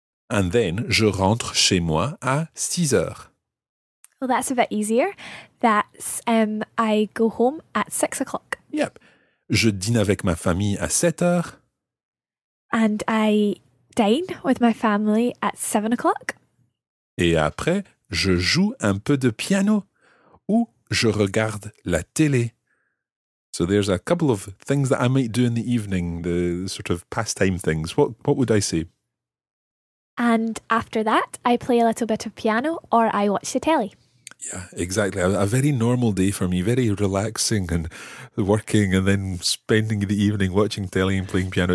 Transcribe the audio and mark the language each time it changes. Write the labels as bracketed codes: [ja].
[en] And then [fr] je rentre chez moi à 6 heures. [en] Well, that's a bit easier. That's I go home at 6 o'clock. [fr] Yep. Je dîne avec ma famille à 7 heures. [en] And I dine with my family at 7 o'clock. [fr] Et après, je joue un peu de piano ou je regarde la télé. [en] So there's a couple of things that I might do in the evening, the sort of pastime things. What would I say? And after that, I play a little bit of piano or I watch the telly. Yeah, exactly. A very normal day for me, very relaxing and working and then spending the evening watching telly and playing piano.